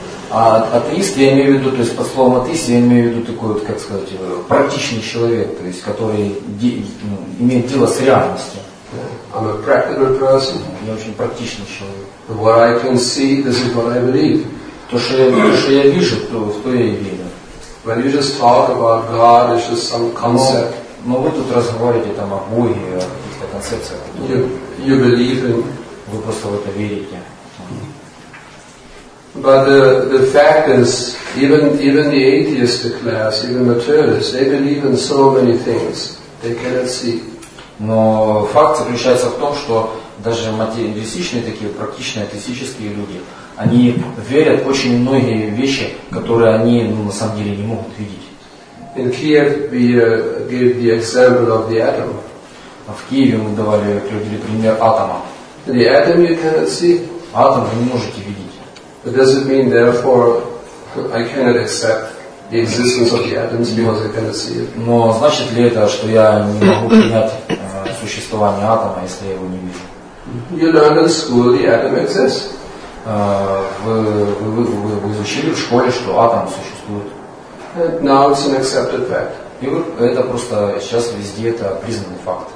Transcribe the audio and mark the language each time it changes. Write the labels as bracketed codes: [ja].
[ru] Атеист, я имею в виду, то есть по словам атеист, я имею в виду такой вот, как сказать, практичный человек, то есть который имеет дело с реальностью. [en] Yeah. I'm a practical person. [ru] Я очень практичный человек. [en] What I can see, this is what I believe. [ru] То, что я вижу, то в то я и верю. [en] When you just talk about God, it's just some concept. [ru] Но вы тут разговариваете там о Боге, о каких-то концепциях. [en] You believe in. [ru] Вы просто в это верите. [en] But the fact is, even the atheistic class, even materialists, they believe in so many things they cannot see. [ru] Но факт заключается в том, что даже материалистичные такие практичные атеистические люди, они верят в очень многие вещи, которые они на самом деле не могут видеть. [en] In Kiev we gave the example of the atom. [ru] В Киеве мы приводили пример атома. [en] The atom you cannot see. [ru] Атом вы не можете видеть. [en] But does it mean therefore I cannot accept the existence of the atoms because I cannot see it? [ru] Но значит ли это, что я не могу принять существование атома, если я его не вижу? [en] You learned in school the atom exists. [ru] Вы изучили в школе, что атом существует. [en] And now it's an accepted fact. [ru] И это просто сейчас везде это признанный факт.